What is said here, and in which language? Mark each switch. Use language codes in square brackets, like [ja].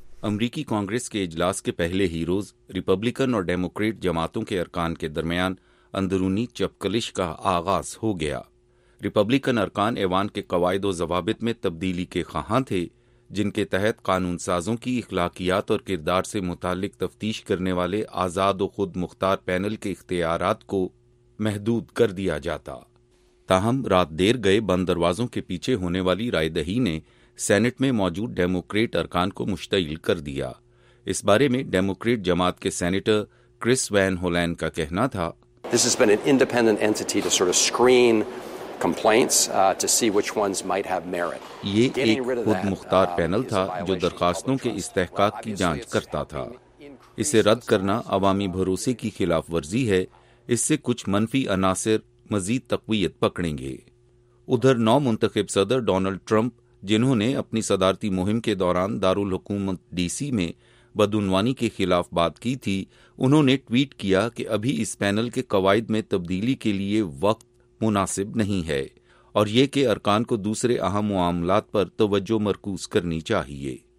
[ur] امریکی کانگریس کے اجلاس کے پہلے ہی روز ریپبلیکن اور ڈیموکریٹ جماعتوں کے ارکان کے درمیان اندرونی چپکلش کا آغاز ہو گیا۔ ریپبلیکن ارکان ایوان کے قواعد و ضوابط میں تبدیلی کے خواہاں تھے، جن کے تحت قانون سازوں کی اخلاقیات اور کردار سے متعلق تفتیش کرنے والے آزاد و خود مختار پینل کے اختیارات کو محدود کر دیا جاتا۔ تاہم رات دیر گئے بند دروازوں کے پیچھے ہونے والی رائے دہی نے سینٹ میں موجود ڈیموکریٹ ارکان کو مشتعل کر دیا۔ اس بارے میں ڈیموکریٹ جماعت کے سینیٹر کرس وین ہولین کا کہنا تھا، [en] This has been an independent entity to sort of screen complaints to see which ones might have merit. [ur] یہ ایک خود مختار پینل تھا جو درخواستوں کے استحقاق کی جانچ کرتا تھا۔ اسے رد کرنا عوامی بھروسے کی خلاف ورزی ہے، اس سے کچھ منفی عناصر مزید تقویت پکڑیں گے۔ ادھر نو منتخب صدر ڈونلڈ ٹرمپ، جنہوں نے اپنی صدارتی مہم کے دوران دارالحکومت ڈی سی میں بدعنوانی کے خلاف بات کی تھی، انہوں نے ٹویٹ کیا کہ ابھی اس پینل کے قواعد میں تبدیلی کے لیے وقت مناسب نہیں ہے، اور یہ کہ ارکان کو دوسرے اہم معاملات پر توجہ مرکوز کرنی چاہیے۔